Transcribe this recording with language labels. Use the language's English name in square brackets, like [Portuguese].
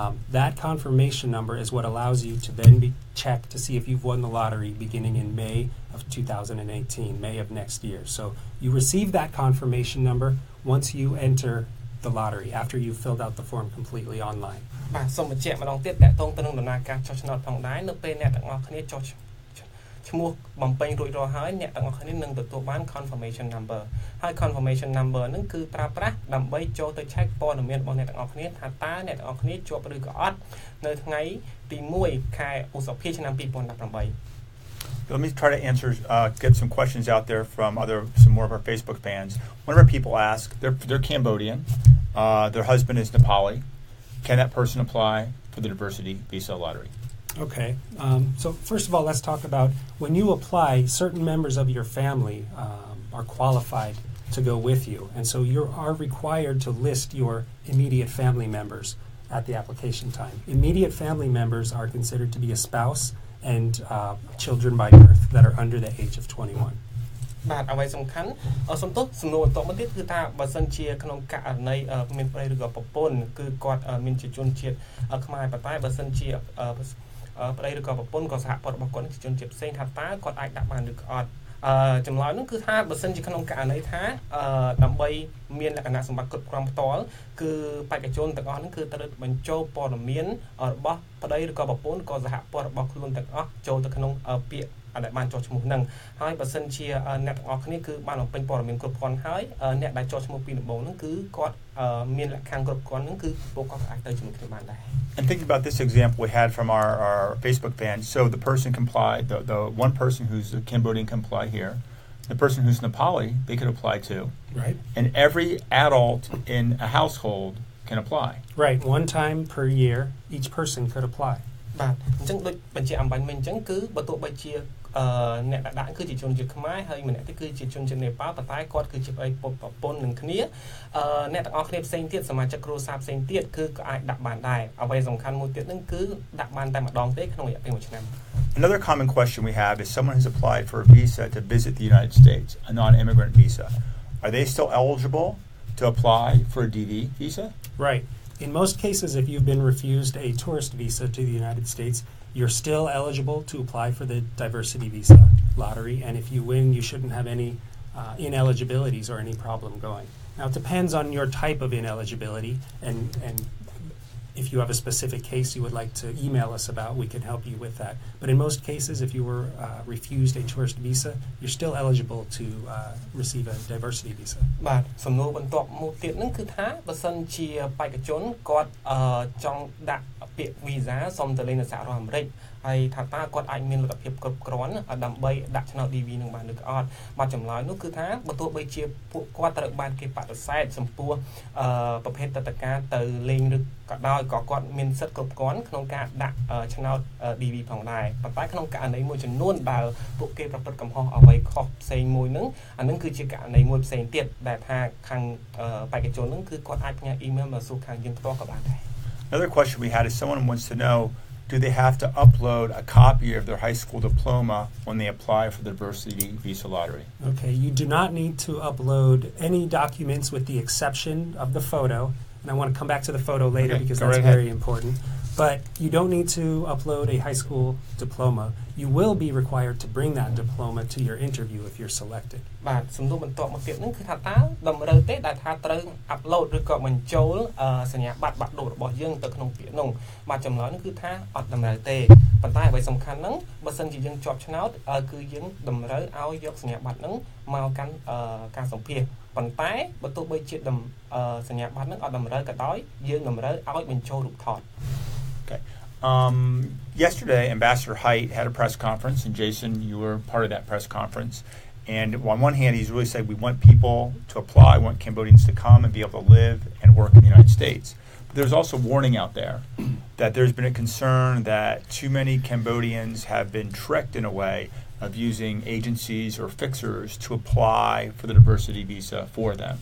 [English] That confirmation number is what allows you to then be checked to see if you've won the lottery beginning in May of 2018, May of next year. So you receive that confirmation number once you enter the lottery, after you've filled out the form completely online. [Khmer] ឈ្មោះបំពេញរួចរាល់ហើយអ្នកទាំងអស់គ្នានឹងទទួលបាន confirmation number ហើយ confirmation number ហ្នឹងគឺប្រើប្រាស់ដើម្បីចូលទៅ check ព័ត៌មានរបស់អ្នកទាំងអស់គ្នាថាតើអ្នកទាំងអស់គ្នាជាប់ឬក៏អត់នៅថ្ងៃទី1ខែឧសភាឆ្នាំ2018 [English] Let me try to answer get some questions out there from some more of our Facebook fans. Whenever people ask, they're Cambodian, their husband is Nepali. Can that person apply for the diversity visa lottery? Okay. So first of all, let's talk about when you apply, certain members of your family are qualified to go with you. And so you are required to list your immediate family members at the application time. Immediate family members are considered to be a spouse and children by birth that are under the age of 21. [Khmer] បាទអ្វីសំខាន់សំទោសសំណួរបន្ទាប់មកទៀតគឺថាបើសិនជាក្នុងករណីមានប្តីឬក៏ប្រពន្ធគឺគាត់មានជាជនជាតិខ្មែរតែបើសិនជាប្តីឬក៏ប្រពន្ធក៏សហព័ន្ធរបស់គាត់ជាជនជាតិផ្សេងថាតើគាត់អាចដាក់បានឬក៏អត់ចម្លើយនោះគឺថាបើសិនជាក្នុងករណីថា ដើម្បីមានលក្ខណៈសម្បត្តិគ្រប់គ្រាន់ផ្ទាល់គឺបេក្ខជនទាំងអស់នោះគឺត្រូវបញ្ចូលព័ត៌មានរបស់ប្តីឬក៏ប្រពន្ធក៏សហព័ន្ធរបស់ខ្លួនទាំងអស់ចូលទៅក្នុងពាក្យដែលបានចុះឈ្មោះនឹងហើយបើសិនជាអ្នកទាំងអស់គ្នាគឺបានបំពេញព័ត៌មានគ្រប់គ្រាន់ហើយអ្នកដែលចុះឈ្មោះពីដំបូងនោះគឺគាត់មានលក្ខខណ្ឌគ្រប់គ្រាន់នឹងគឺពួកគាត់អាចទៅជាមួយគ្នាបានដែរ [English] And think about this example we had from our Facebook fan. So the person complied, the one person who's a Cambodian can apply here. The person who's Nepali, they could apply too. Right. And every adult in a household can apply. Right. One time per year, each person could apply. [Khmer] បាទអញ្ចឹងដូចបញ្ជាក់អំបញ្ញមិញអញ្ចឹងគឺបើទោះបីជា អ្នកដាក់ដាក់គឺជាជនជាតិខ្មែរហើយម្នាក់ទៀតគឺជាជនជាតិនេប៉ាល់ប៉ុន្តែគាត់គឺជាប្អូនប្រពន្ធនឹងគ្នាអឺអ្នកទាំងអស់គ្នាផ្សេងទៀតសមាជិកគ្រួសារផ្សេងទៀតគឺក៏អាចដាក់បានដែរអ្វីសំខាន់មួយទៀតហ្នឹងគឺដាក់បានតែម្ដងទេក្នុងរយៈពេល1ឆ្នាំ [English] Another common question we have is someone has applied for a visa to visit the United States, a non-immigrant visa. Are they still eligible to apply for a DV visa? Right. In most cases, if you've been refused a tourist visa to the United States, you're still eligible to apply for the diversity visa lottery. And if you win, you shouldn't have any ineligibilities or any problem going. Now, it depends on your type of ineligibility. And if you have a specific case you would like to email us about, we can help you with that. But in most cases, if you were refused a tourist visa, you're still eligible to receive a diversity visa. But some no one thought more than one could have, but some cheer by a John got a John that. [Khmer] ពាក្យ visa សំទៅលេងនៅសហរដ្ឋអាមេរិកហើយថាតើគាត់អាចមានលទ្ធភាពគ្រប់គ្រាន់ដើម្បីដាក់ឆ្នោត DV នឹងបានឬក៏អត់បាទចម្លើយនោះគឺថាបើទោះបីជាពួកគាត់ត្រូវបានគេបដិសេធចំពោះប្រភេទតតការទៅលេងឬក៏ដោយក៏គាត់មានសិទ្ធិគ្រប់គ្រាន់ក្នុងការដាក់ឆ្នោត DV ផងដែរប៉ុន្តែក្នុងករណីមួយចំនួនបើពួកគេប្រព្រឹត្តកំហុសអ្វីខុសផ្សេងមួយនឹងអានឹងគឺជាករណីមួយផ្សេងទៀតដែលថាខាងបេក្ខជននឹងគឺគាត់អាចផ្ញើ email មកសួរខាងយើងផ្ទាល់ក៏បានដែរ [English] Another question we had is someone wants to know, do they have to upload a copy of their high school diploma when they apply for the diversity visa lottery? Okay, you do not need to upload any documents with the exception of the photo. And I want to come back to the photo later okay, because that's right very ahead. Important. But you don't need to upload a high school diploma. You will be required to bring that diploma to your interview if you're selected. [Khmer] បាទសំណួរបន្ទាប់មកទៀតនឹងគឺថាតើតម្រូវទេដែលថាត្រូវ upload ឬក៏បញ្ចូលសញ្ញាបត្របាក់ឌុបរបស់យើងទៅក្នុងពាក្យនោះបាទចំណុចនោះគឺថាអត់តម្រូវទេប៉ុន្តែអ្វីសំខាន់ហ្នឹងបើសិនជាយើងជាប់ឆ្នោតគឺយើងតម្រូវឲ្យយកសញ្ញាបត្រហ្នឹងមកកាន់ការសម្ភាសន៍ប៉ុន្តែបើទោះបីជាសញ្ញាបត្រហ្នឹងអត់តម្រូវក៏ដោយយើងតម្រូវឲ្យបញ្ចូលរូបថត [English] Okay. Yesterday, Ambassador Haidt had a press conference, and Jason, you were part of that press conference. And on one hand, he's really said, we want people to apply, we want Cambodians to come and be able to live and work in the United States. But there's also warning out there that there's been a concern that too many Cambodians have been tricked in a way of using agencies or fixers to apply for the diversity visa for them.